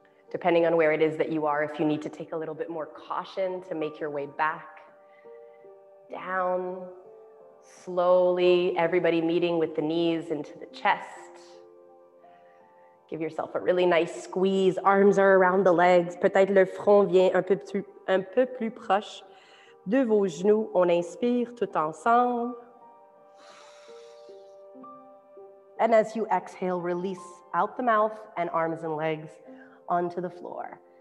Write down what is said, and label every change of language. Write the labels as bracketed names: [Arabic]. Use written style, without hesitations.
[English] Depending on where it is that you are, if you need to take a little bit more caution to make your way back down slowly, everybody meeting with the knees into the chest. Give yourself a really nice squeeze. Arms are around the legs. [French] Peut-être le front vient un peu plus proche de vos genoux. On inspire tout ensemble. [English] And as you exhale, release out the mouth and arms and legs onto the floor.